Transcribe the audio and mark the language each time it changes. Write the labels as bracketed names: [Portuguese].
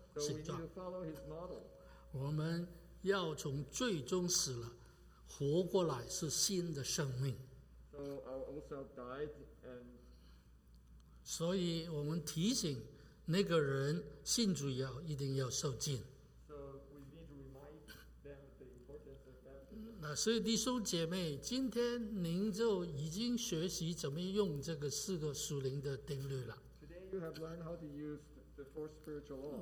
[English] So we need to follow his model. [Chinese] 我们要从最终死了，活过来是新的生命。 [English] So our old self died and. [Chinese] 所以我们提醒。那个人信主要一定要受浸。 [English] So we need to remind them the importance of baptism. [Chinese] 那所以弟兄姐妹，今天您就已经学习怎么用这个四个属灵的定律了。 [English] Today you have learned how to use the four spiritual laws.